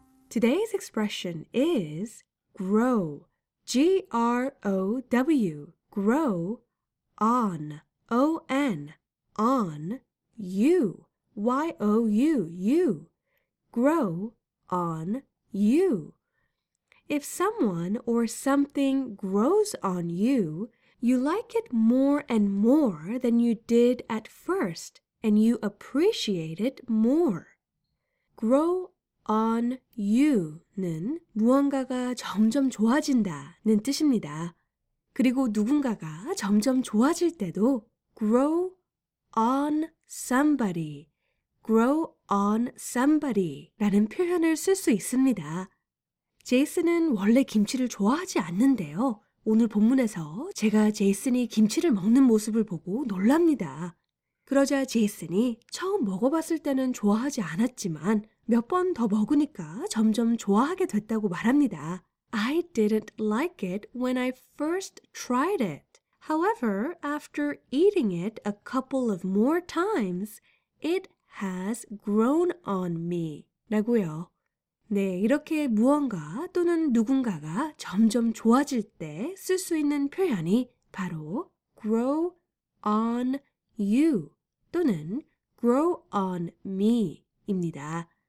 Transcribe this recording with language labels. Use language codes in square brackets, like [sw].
[en] Today's expression is grow, G-R-O-W, grow, on, O-N, on, you, Y-O-U, you, grow, on, you. If someone or something grows on you, you like it more and more than you did at first, and you appreciate it more. [ko] Grow on you 는 무언가가 점점 좋아진다는 뜻입니다. 그리고 누군가가 점점 좋아질 때도 [en] grow on somebody. [ko] Grow on somebody 라는 표현을 쓸 수 있습니다. 제이슨은 원래 김치를 좋아하지 않는데요. 오늘 본문에서 제가 제이슨이 김치를 먹는 모습을 보고 놀랍니다. 그러자 제이슨이 처음 먹어봤을 때는 좋아하지 않았지만 몇 번 더 먹으니까 점점 좋아하게 됐다고 말합니다. [en] I didn't like it when I first tried it. However, after eating it a couple of more times, it has grown on me. [ko] 라고요. 네, 이렇게 무언가 또는 누군가가 점점 좋아질 때 쓸 수 있는 표현이 바로 grow on you 또는 grow on me 입니다.